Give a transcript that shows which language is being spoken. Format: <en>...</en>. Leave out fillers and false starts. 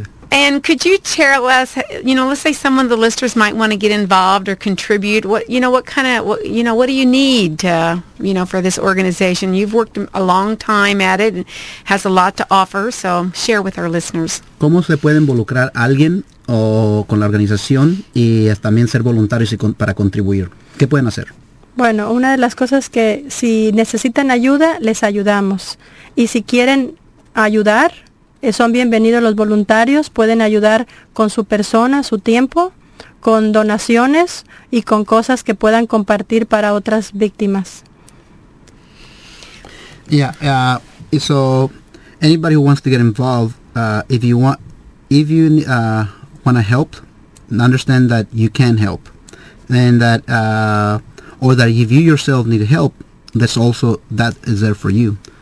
<en>And could you tell us, you know, let's say some of the listeners might want to get involved or contribute. What, you know, what kind of, what, you know, what do you need to, you know, for this organization? You've worked a long time at it and has a lot to offer, so share with our listeners.</en> <es>¿Cómo se puede involucrar alguien o con la organización y también ser voluntarios y con, para contribuir? ¿Qué pueden hacer? Bueno, una de las cosas que si necesitan ayuda, les ayudamos. Y si quieren ayudar, son bienvenidos los voluntarios. Pueden ayudar con su persona, su tiempo, con donaciones y con cosas que puedan compartir para otras víctimas.</es> <en>Yeah, so anybody who wants to get involved, if you want to help, understand that you can help. And that, or that if you yourself need help, that's also, that is there for you.</en>